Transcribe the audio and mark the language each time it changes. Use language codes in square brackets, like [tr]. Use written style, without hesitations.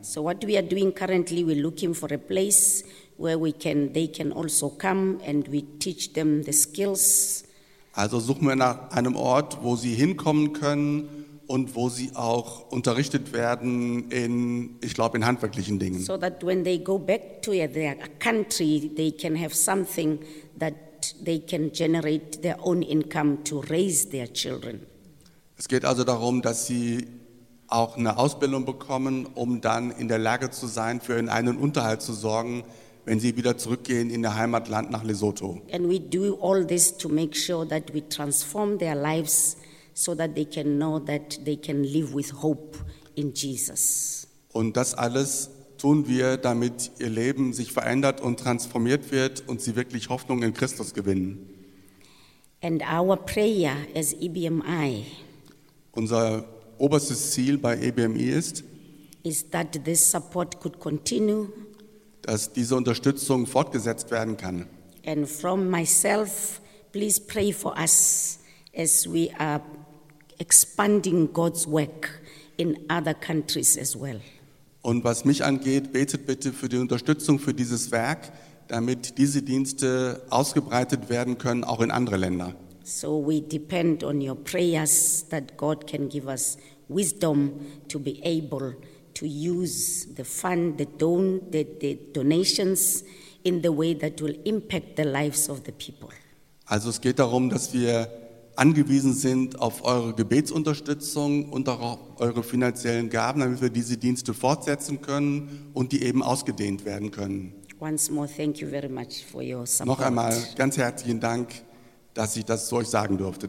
[en] So what we are doing currently, we're looking for a place where we can, they can also come and we teach them the skills. [de] Also suchen wir nach einem Ort, wo sie hinkommen können und wo sie auch unterrichtet werden in, ich glaube, in handwerklichen Dingen. [en] So that when they go back to their country, they can have something that they can generate their own income to raise their children. [de] Es geht also darum, dass sie auch eine Ausbildung bekommen, um dann in der Lage zu sein, für ihren eigenen Unterhalt zu sorgen, wenn sie wieder zurückgehen in ihr Heimatland nach Lesotho. [en] And we do all this to make sure that we transform their lives so that they can know that they can live with hope in Jesus. [de] Und das alles tun wir, damit ihr Leben sich verändert und transformiert wird und sie wirklich Hoffnung in Christus gewinnen. [en] And our prayer as EBMI, [de] unser oberstes Ziel bei EBMI ist, [en] is that this support could continue, [de] dass diese Unterstützung fortgesetzt werden kann. [en] And from myself, please pray for us as we are expanding God's work in other countries as well. [de] Und was mich angeht, betet bitte für die Unterstützung für dieses Werk, damit diese Dienste ausgebreitet werden können, auch in andere Länder. [en] So we depend on your prayers that God can give us wisdom to be able to use the fund, the donations in the way that will impact the lives of the people. [de] Also es geht darum, dass wir angewiesen sind auf eure Gebetsunterstützung und auch auf eure finanziellen Gaben, damit wir diese Dienste fortsetzen können und die eben ausgedehnt werden können. [en] Once more, thank you very much for your support. [de] Noch einmal ganz herzlichen Dank, dass ich das zu euch sagen durfte.